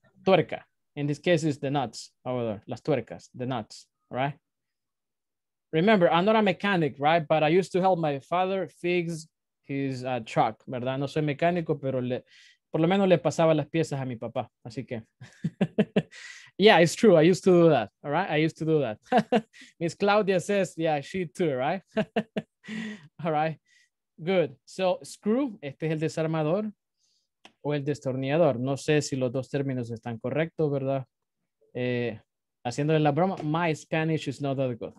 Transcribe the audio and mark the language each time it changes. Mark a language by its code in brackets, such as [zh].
[es] Tuerca. [en] In this case, it's the nuts. Over there. [es] Las tuercas. [en] The nuts. All right? Remember, I'm not a mechanic, right? But I used to help my father fix his truck, ¿verdad? [es] No soy mecánico, pero le, por lo menos le pasaba las piezas a mi papá. Así que, [en] yeah, it's true. I used to do that, all right? I used to do that. Miss Claudia says, yeah, she too, right? All right, good. [es] So, screw, este es el desarmador o el destornillador. No sé si los dos términos están correctos, ¿verdad? Haciéndole la broma, [en] my Spanish is not that good.